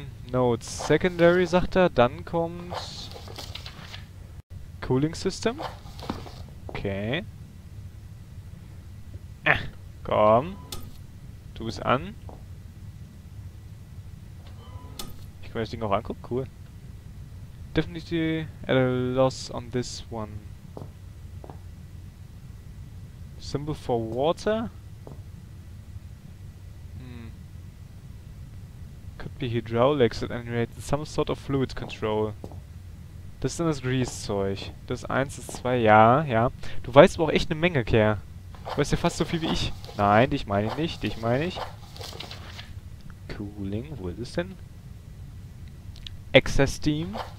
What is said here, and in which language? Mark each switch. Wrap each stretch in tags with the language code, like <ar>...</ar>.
<de>Notes Secondary, sagt er. Dann kommt Cooling System. Okay. Komm. Tu es an. Ich kann mir das Ding auch angucken. Cool.</de> <en>Definitely at a loss on this one. Symbol for water. Could be hydraulics at any rate. Some sort of fluid control.</en> <de>Das ist dann das Grease-Zeug. Das ist eins, das zwei, ja, ja. Du weißt aber auch echt eine Menge, Kerl. Du weißt ja fast so viel wie ich. Nein, dich meine ich nicht, dich meine ich. Cooling, wo ist es denn? Excess Steam.</de>